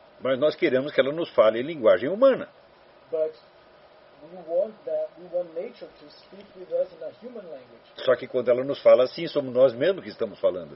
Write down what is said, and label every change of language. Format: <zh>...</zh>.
<pt>Mas nós queremos que ela nos fale em linguagem humana.</pt> <en>But we want nature to speak with us in a human language.</en> <pt>Só que quando ela nos fala assim, somos nós mesmos que estamos falando.</pt>